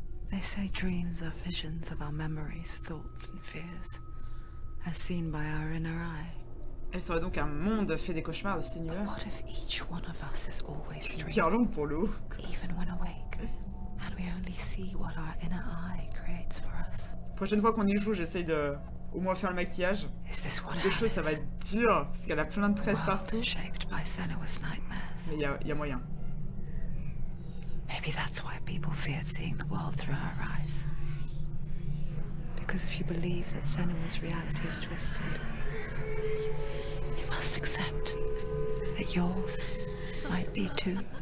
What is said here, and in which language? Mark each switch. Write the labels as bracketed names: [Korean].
[English] They say dreams are visions of our memories, thoughts and fears, as seen by our inner eye. [French] Elle serait donc un monde fait des cauchemars de Seigneur. [English] But what if each one of us is always dreaming? [French] Bien long pour l'eau. [English] Even when awake. And we only see what our inner eye creates for us. [French] La prochaine fois qu'on y joue, j'essaye de au moins faire le maquillage. Des choses, ça va être dur, parce qu'elle a plein de tresses partout. [English] Shaped by Senua's nightmares. [French] Mais y a moyen. [English] Maybe that's why people feared seeing the world through her eyes. Because if you believe that Senua's reality is twisted, you must accept that yours might be too.